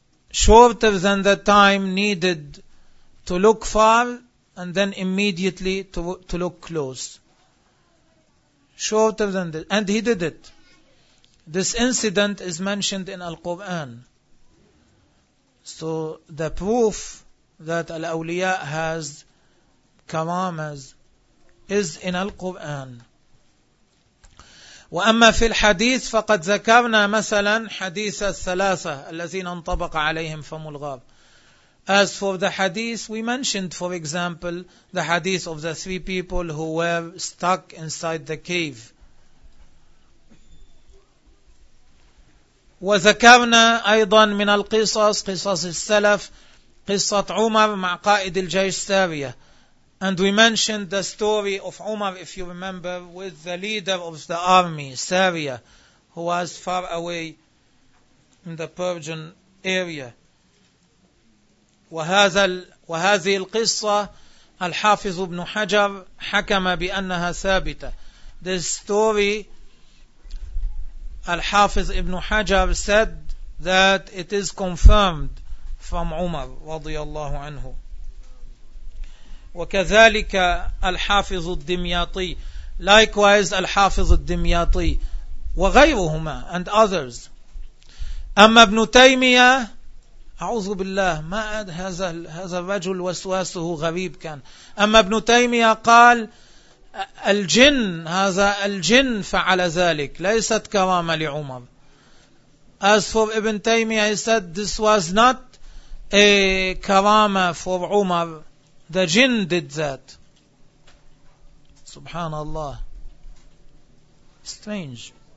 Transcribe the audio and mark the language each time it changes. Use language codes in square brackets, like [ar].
[en] Shorter than the time needed to look far and then immediately to look close. Shorter than this. And he did it. This incident is mentioned in Al-Quran. So the proof that Al-Awliya has karamas is in Al-Quran. [ar] وأما في الحديث فقد ذكرنا مثلا حديث الثلاثة الذين انطبق عليهم فم الغاب. [en] As for the hadith, we mentioned, for example, the hadith of the three people who were stuck inside the cave. [ar] وذكرنا أيضا من القصص, قصص السلف, قصة عمر مع قائد الجيش سارية. [en] And we mentioned the story of Umar, if you remember, with the leader of the army, Saria, who was far away in the Persian area. [ar] وهذه القصة الحافظ ابن حجر حكم بأنها ثابتة. [en] This story, الحافظ ابن حجر said that it is confirmed from Umar [ar] رضي الله عنه. وكذلك الحافظ الدمياطي, [en] likewise [ar] الحافظ الدمياطي وغيرهما [en] and others. [ar] أما ابن تيمية أعوذ بالله ما هذا الرجل وسواسه غريب كان. أما ابن تيمية قال الجن, هذا الجن فعل ذلك, ليست كرامة لعمر. [en] As for ابن تيمية, he said this was not a كرامة for عمر, the jinn did that. [ar] سبحان الله, [en] strange.